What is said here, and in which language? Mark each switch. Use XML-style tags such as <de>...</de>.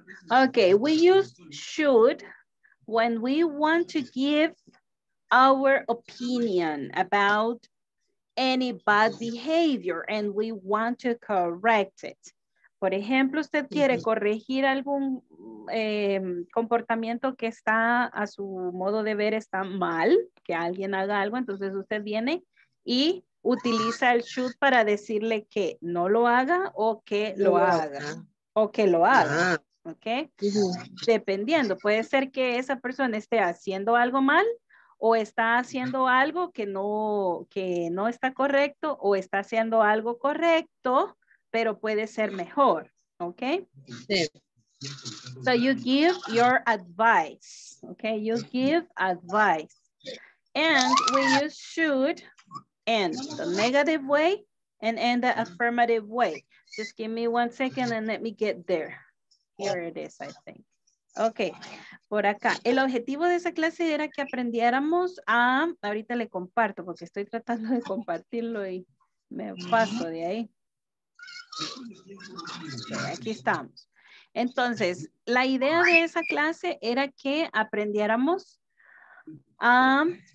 <en>Ok, we use Shuit when we want to give our opinion about any bad behavior and we want to correct it.</en> <es>Por ejemplo, usted quiere corregir algún comportamiento que está a su modo de ver está mal, que alguien haga algo, entonces usted viene y utiliza el should para decirle que no lo haga o que lo haga. O que lo haga. Okay. Dependiendo, puede ser que esa persona esté haciendo algo mal o está haciendo algo que no está correcto o está haciendo algo correcto, pero puede ser mejor, ¿okay? Sí.</es> <en>So you give your advice, ¿okay? You give advice. And we use should in the negative way and in the affirmative way. Just give me one second and let me get there. Here it is, I think. Okay,</en> <es>por acá. El objetivo de esa clase era que aprendiéramos a... Ahorita le comparto porque estoy tratando de compartirlo y me paso de ahí. Okay, aquí estamos. Entonces, la idea de esa clase era que aprendiéramos a...</es>